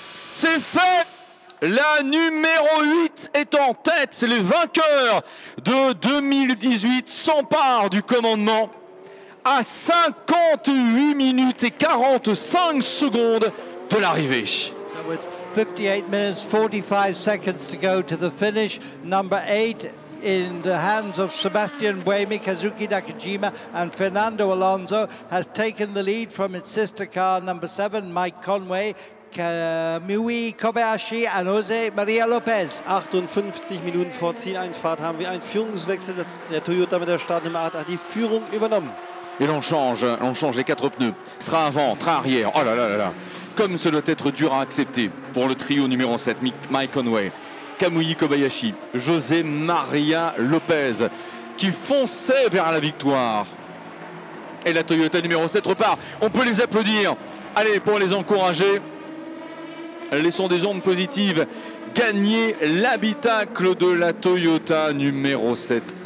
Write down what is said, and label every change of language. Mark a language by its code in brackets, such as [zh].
[fr] C'est fait! La numéro 8 est en tête. C'est les vainqueurs de 2018 s'emparent du commandement à 58 minutes et 45 secondes de l'arrivée. [en] So 58 minutes 45 seconds to go to the finish. Number 8 in the hands of Sébastien Buemi. Kazuki Nakajima and Fernando Alonso has taken the lead from its sister car number 7, Mike Conway, Kamui Kobayashi and Jose Maria Lopez. [de] 58 Minuten vor Zieleinfahrt haben wir einen Führungswechsel der Toyota mit der Startnummer 8 die Führung übernommen. [fr] Et on change les quatre pneus, train avant, train arrière. Oh là là là là. Comme ça doit être dur à accepter pour le trio numéro 7, Mike Conway, Kamui Kobayashi, José Maria Lopez, qui fonçait vers la victoire. Et la Toyota numéro 7 repart. On peut les applaudir. Allez, pour les encourager, laissons des ondes positives gagner l'habitacle de la Toyota numéro 7.